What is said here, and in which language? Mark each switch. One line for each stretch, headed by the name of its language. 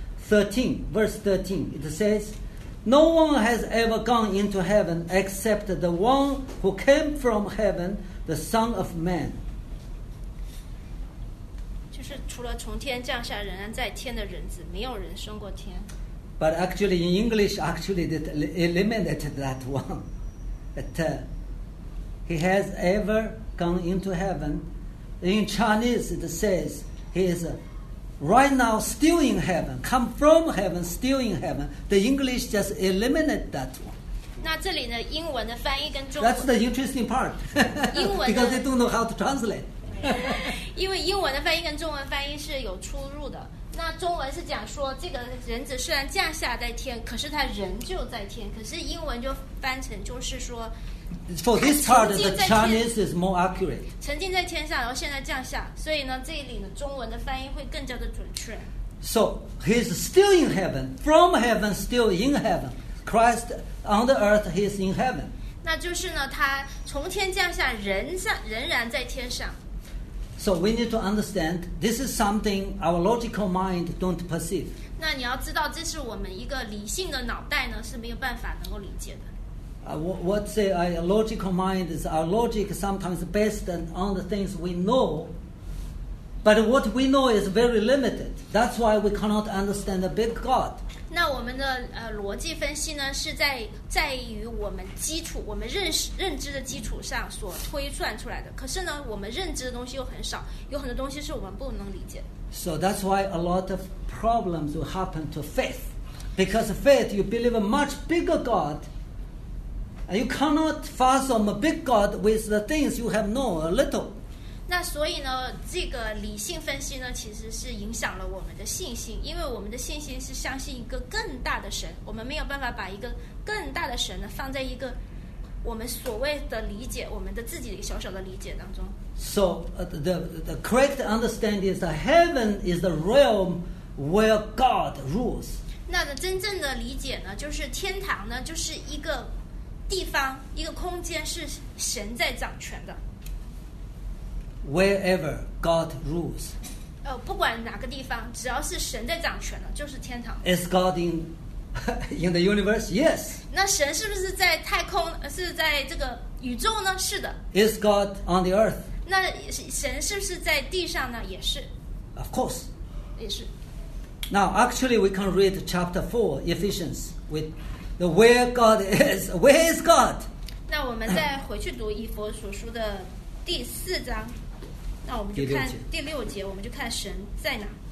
English: 13, verse 13, it says, No one has ever gone into heaven except the one who came from heaven, the Son of Man.
Chinese: 就是除了从天降下仍然在天的人子，没有人升过天。
English: But actually, in English, actually, it eliminated that one. But, he has ever gone into heaven. In Chinese, it says he is right now still in heaven, come from heaven, still in heaven. The English just eliminate that one.
Chinese: 那这里呢，英文的翻译跟中文。
English: That's the interesting part.
Chinese: 英文的。
English: Because they don't know how to translate.
Chinese: 因为英文的翻译跟中文翻译是有出入的。那中文是讲说，这个人子虽然降下在天，可是他仍旧在天。可是英文就翻成就是说。
English: For this part, the Chinese is more accurate.
Chinese: 曾经在天上，然后现在降下，所以呢，这里呢，中文的翻译会更加的准确。
English: So he is still in heaven, from heaven, still in heaven. Christ on the earth, he is in heaven.
Chinese: 那就是呢，他从天降下，仍然在天上。
English: So we need to understand this is something our logical mind don't perceive.
Chinese: 那你要知道，这是我们一个理性的脑袋呢是没有办法能够理解的。
English: What say our logical mind is our logic sometimes based on the things we know, but what we know is very limited. That's why we cannot understand the big God.
Chinese: 那我们的逻辑分析呢是在于我们基础我们认知的基础上所推算出来的。可是呢，我们认知的东西又很少，有很多东西是我们不能理解。
English: So that's why a lot of problems will happen to faith, because faith you believe a much bigger God. And you cannot fathom a big God with the things you have known a little.
Chinese: 那所以呢，这个理性分析呢，其实是影响了我们的信心，因为我们的信心是相信一个更大的神，我们没有办法把一个更大的神呢放在一个我们所谓的理解，我们的自己的小小的理解当中。
English: So the correct understanding is that heaven is the realm where God rules.
Chinese: 那真正的理解呢，就是天堂呢，就是一个。地方一个空间是神在掌权的。
English: Wherever God rules.
Chinese: 不管哪个地方，只要是神在掌权的，就是天堂。
English: Is God in In the universe, yes.
Chinese: 那神是不是在太空？是在这个宇宙呢？是的。
English: Is God on the earth?
Chinese: 那神是不是在地上呢？也是。
English: Of course.
Chinese: 也是。
English: Now, actually, we can read chapter 4, Ephesians, with the where God is. Where is God?
Chinese: 那我们再回去读以弗所书的第四章。那我们就看第六节，我们就看神在哪。